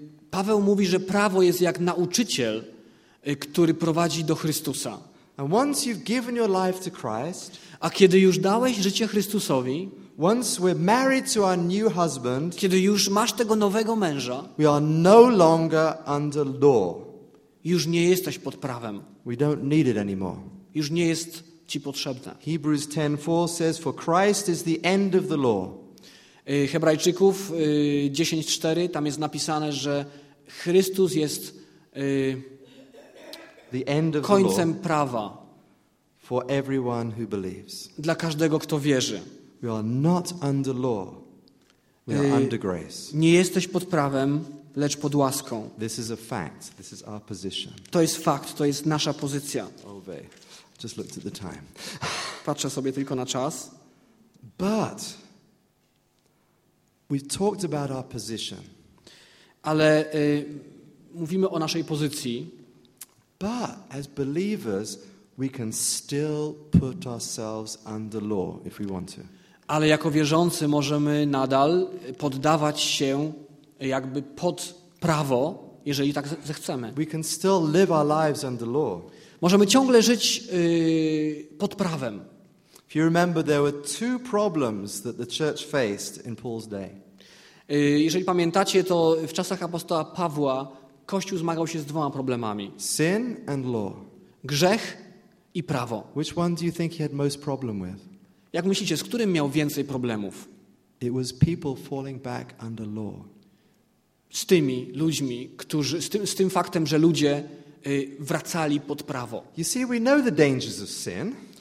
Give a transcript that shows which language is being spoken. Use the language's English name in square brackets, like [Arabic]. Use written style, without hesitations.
[Polish] Paweł mówi, że prawo jest jak nauczyciel, który prowadzi do Chrystusa. [English] And once you've given your life to Christ, [Polish] a kiedy już dałeś życie Chrystusowi, [English] once we're married to our new husband, [Polish] kiedy już masz tego nowego męża, [English] we are no longer under law. [Polish] Już nie jesteś pod prawem. [English] We don't need it anymore. [Polish] Już nie jest ci potrzebne. [English] Hebrews 10:4 says, "For Christ is the end of the law." [Polish] Hebrajczyków 10:4, tam jest napisane, że Chrystus jest [English] the end of [Polish] końcem [English] the law [Polish] prawa. [English] For everyone who believes. [Polish] Dla każdego, kto wierzy. [English] We are not under law. We are under grace. [Polish] Nie jesteś pod prawem, lecz pod łaską. [English] This is a fact. This is our position. [Polish] To jest fakt. To jest nasza pozycja. [English] Obey. Just looked at the time. [Polish] Patrzę sobie tylko na czas. [English] But we've talked about our position. [Polish] Ale mówimy o naszej pozycji. [English] But as believers, we can still put ourselves under law if we want to. [Polish] Ale jako wierzący możemy nadal poddawać się jakby pod prawo, jeżeli tak zechcemy. [English] We can still live our lives under law. [Polish] Możemy ciągle żyć pod prawem. [English] If you remember, there were two problems that the church faced in Paul's day. [Polish] Jeżeli pamiętacie, to w czasach apostoła Pawła Kościół zmagał się z dwoma problemami. [English] Sin and law. [Polish] Grzech i prawo. [English] Which one do you think he had most problem with? [Polish] Jak myślicie, z którym miał więcej problemów? [English] It was people falling back under law. [Polish] Z tymi ludźmi, którzy z tym faktem, że ludzie wracali pod prawo. [English] You see, we know the dangers of sin.